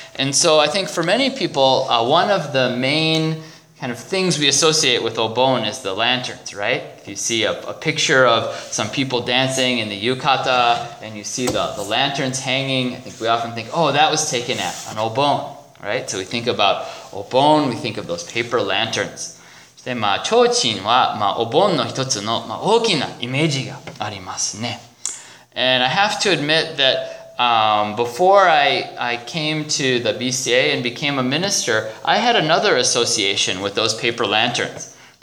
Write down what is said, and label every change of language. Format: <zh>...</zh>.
<en>And so I think for many people, one of the main kind of things we associate with Obon is the lanterns, right? If you see a picture of some people dancing in the yukata and you see the lanterns hanging, I think we often think, oh, that was taken at an Obon, right? So we think about Obon, we think of those paper lanterns.</en> <ja>そして提灯は、お盆の一つの大きなイメージがありますね。</ja> <en>And I have to admit that before I came to the BCA and became a minister, I had another association with those paper lanterns.</en>